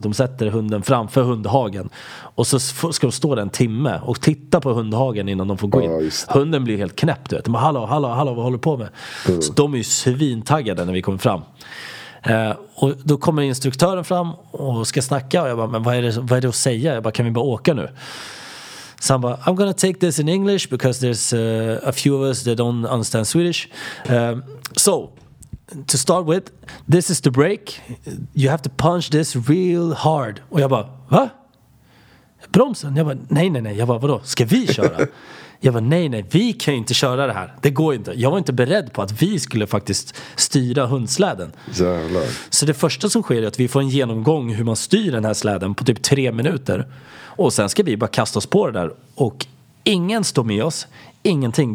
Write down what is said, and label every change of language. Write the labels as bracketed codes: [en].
[sv] De sätter hunden framför hundhagen. Och så ska de stå där en timme och titta på hundhagen innan de får gå in. Ja, hunden blir helt knäpp, du vet. De bara, hallå, hallå, hallå, vad håller du på med? Mm. Så de är ju svintaggade när vi kommer fram. Och då kommer instruktören fram och ska snacka. Och jag bara, men vad är det att säga? Jag bara, kan vi bara åka nu? Så han bara, [en] I'm gonna take this in English because there's a few of us that don't understand Swedish. So, to start with, this is the brake. You have to punch this real hard. [sv] Och jag bara, va? Bromsen? Jag bara, nej, nej, nej. Jag bara, vadå? Ska vi köra? Jag bara, nej, nej, vi kan ju inte köra det här. Det går inte. Jag var inte beredd på att vi skulle faktiskt styra hundsläden. Jävlar. Så det första som sker är att vi får en genomgång hur man styr den här släden på typ 3 minuter. Och sen ska vi bara kasta oss på det där. Och ingen står med oss. Ingenting.